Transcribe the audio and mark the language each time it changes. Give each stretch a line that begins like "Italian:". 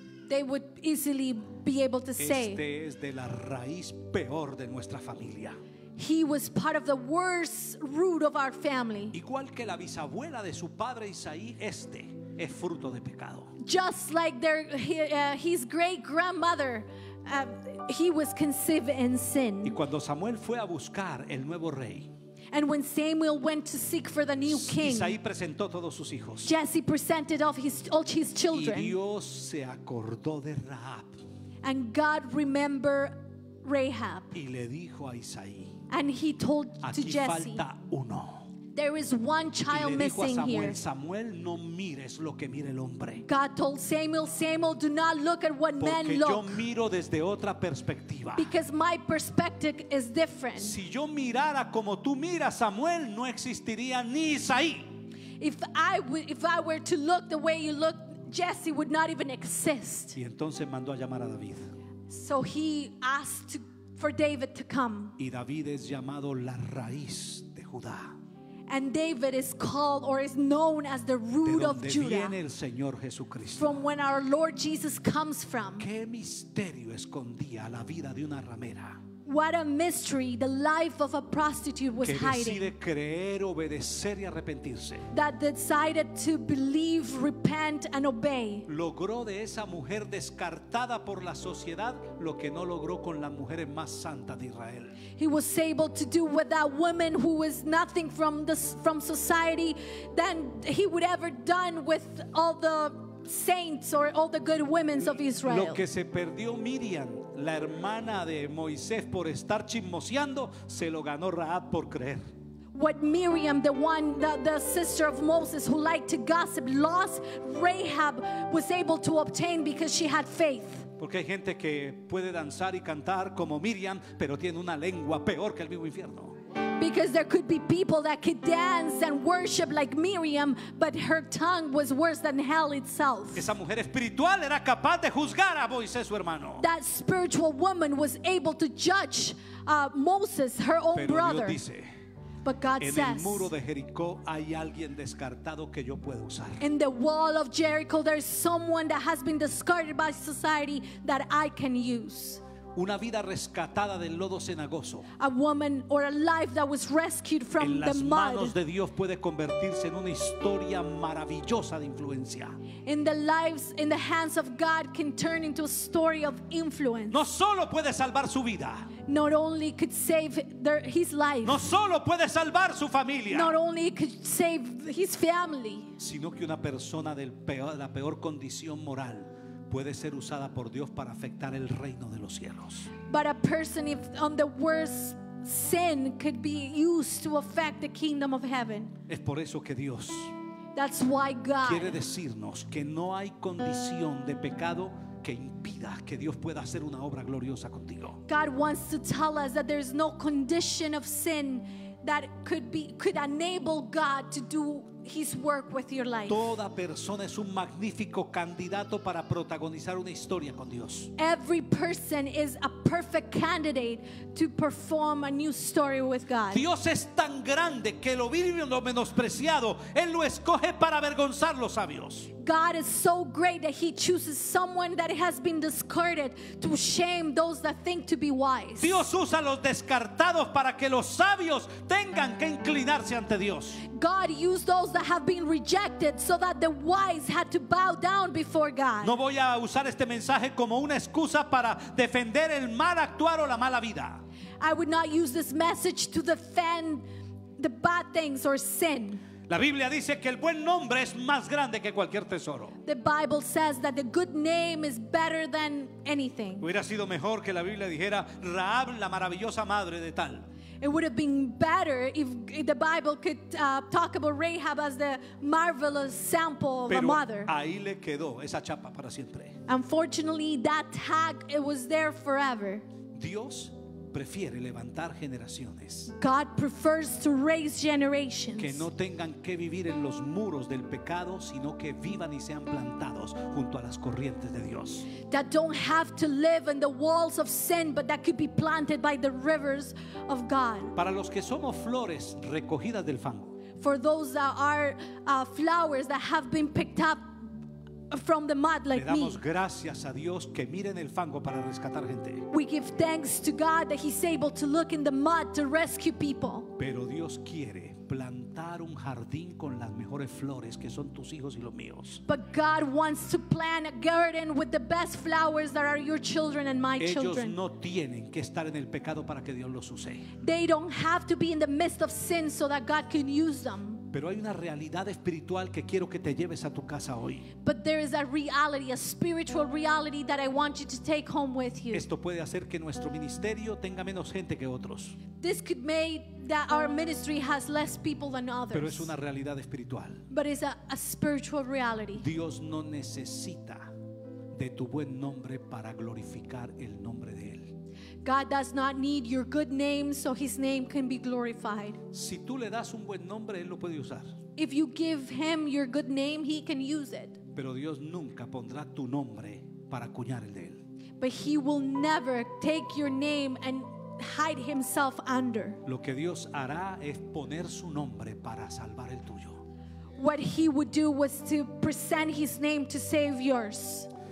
English: They would easily be able to say.
Spanish: Este es de la raíz peor de nuestra familia.
English: He was part of the worst root of our family.
Spanish: Igual que la bisabuela de su padre Isaí, este es fruto de pecado.
English: Just like his great grandmother. He was conceived in sin.
Spanish: Y cuando Samuel fue a buscar el nuevo rey,
English: and when Samuel went to seek for the new king,
Spanish: Isaí presentó todos sus hijos.
English: Jesse presented all his children.
Spanish: Y Dios se acordó de Rahab.
English: And God remembered Rahab.
Spanish: Y le dijo a Isaí,
English: and he told
Spanish: aquí
English: to Jesse,
Spanish: falta uno.
English: There is one child
Spanish: y le dijo
English: missing
Spanish: a Samuel,
English: here.
Spanish: Samuel, no mires lo que mira el hombre.
English: God told Samuel, Samuel, do not look at what
Spanish: Porque
English: men look.
Spanish: Yo miro desde otra perspectiva.
English: Because my perspective is different.
Spanish: Si yo mirara como tú miras, Samuel, no existiría ni Isaí.
English: If I were to look the way you look, Jesse would not even exist.
Spanish: Y entonces mandó a llamar a David.
English: So he asked for David to come.
Spanish: Y David es llamado la raíz de Judá.
English: And David is called or is known as the root of Judah.
Spanish: De donde viene el Señor Jesucristo.
English: From when our Lord Jesus comes from.
Spanish: ¿Qué misterio escondía la vida de una ramera?
English: What a mystery the life of a prostitute was hiding.
Spanish: Que decide creer, obedecer y arrepentirse.
English: That decided to believe, repent and obey.
Spanish: Logró de esa mujer descartada por la sociedad lo que no logró con las mujeres más santas de Israel.
English: He was able to do with that woman who was nothing from society than he would ever done with all the saints or all the good women of Israel.
Spanish: Lo que se perdió Miriam, la hermana de Moisés, por estar chismoseando, se lo ganó Rahab por creer.
English: What Miriam, the sister of Moses who liked to gossip, lost, Rahab was able to obtain because she had faith.
Spanish: Porque hay gente que puede danzar y cantar como Miriam, pero tiene una lengua peor que el mismo infierno.
English: Because there could be people that could dance and worship like Miriam, but her tongue was worse than hell itself.
Spanish: Esa mujer espiritual era capaz de juzgar a Moisés, su hermano.
English: That spiritual woman was able to judge Moses, her own
Spanish: Pero
English: brother.
Spanish: Dios dice,
English: but God
Spanish: en
English: says,
Spanish: el muro de Jericó hay alguien descartado que yo puedo usar.
English: In the wall of Jericho, there's someone that has been discarded by society that I can use.
Spanish: Una vida rescatada del lodo cenagoso.
English: A woman or a life that was rescued from the mud.
Spanish: En las manos de Dios puede convertirse en una historia maravillosa de influencia.
English: In the lives, in the hands of God can turn into a story of influence.
Spanish: No solo puede salvar su vida.
English: Not only could save their, his life.
Spanish: No solo puede salvar su familia.
English: Not only could save his family.
Spanish: Sino que una persona de la peor condición moral puede ser usada por Dios para afectar el reino de los cielos.
English: But a person if on the worst sin could be used to affect the kingdom of heaven.
Spanish: Es por eso que Dios,
English: that's why God,
Spanish: quiere decirnos que no hay condición de pecado que impida que Dios pueda hacer una obra gloriosa contigo.
English: God wants to tell us that there's no condition of sin that could enable God to do his work with your life.
Spanish: Toda persona es un magnífico candidato para protagonizar una historia con Dios.
English: Every person is a perfect candidate to perform a new story with God.
Spanish: Dios es tan grande que lo vil y lo menospreciado, Él lo escoge para avergonzar los sabios.
English: God is so great that He chooses someone that has been discarded to shame those that think to be wise.
Spanish: Dios usa los descartados para que los sabios tengan que inclinarse ante Dios.
English: God used those that have been rejected so that the wise had to bow down before God.
Spanish: No voy a usar este mensaje como una excusa para defender el mal actuar o la mala vida.
English: I would not use this message to defend the bad things or sin.
Spanish: La Biblia dice que el buen nombre es más grande que cualquier tesoro.
English: The Bible says that the good name is better than anything.
Spanish: Hubiera sido mejor que la Biblia dijera Rahab, la maravillosa madre de tal.
English: It would have been better if the Bible could talk about Rahab as the marvelous sample of
Spanish: Pero
English: a mother.
Spanish: Ahí le quedó esa chapa para siempre.
English: Unfortunately, that tag, it was there forever.
Spanish: Dios prefiere levantar generaciones.
English: God prefers to raise generations.
Spanish: Que no tengan que vivir en los muros del pecado, sino que vivan y sean plantados junto a las corrientes de Dios.
English: That don't have to live in the walls of sin, but that could be planted by the rivers of God.
Spanish: Para los que somos flores recogidas del fango.
English: For those that are flowers that have been picked up from the mud like
Spanish: le damos
English: me.
Spanish: Gracias a Dios que mira en el fango para rescatar gente.
English: We give thanks to God that He's able to look in the mud to rescue people.
Spanish: Pero Dios quiere plantar un jardín con las mejores flores que son tus hijos y los míos.
English: But God wants to plant a garden with the best flowers that are your children and my
Spanish: Ellos
English: children.
Spanish: Ellos no tienen que estar en el pecado para que Dios los use.
English: They don't have to be in the midst of sin so that God can use them.
Spanish: Pero hay una realidad espiritual que quiero que te lleves a tu casa hoy.
English: But there is a reality, a spiritual reality that I want you to take home with you.
Spanish: Esto puede hacer que nuestro ministerio tenga menos gente que otros.
English: This could make that our ministry has less people than others.
Spanish: Pero es una realidad espiritual.
English: But it's a spiritual reality.
Spanish: Dios no necesita de tu buen nombre para glorificar el nombre de Él.
English: God does not need your good name so His name can be glorified.
Spanish: Si tú le das un buen nombre, Él lo puede usar.
English: If you give Him your good name, He can use it.
Spanish: Pero Dios nunca pondrá tu nombre para acuñar el de Él.
English: But He will never take your name and hide Himself under.
Spanish: Lo que Dios hará es poner su nombre para salvar el tuyo.
English: What He would do was to present His name to save yours.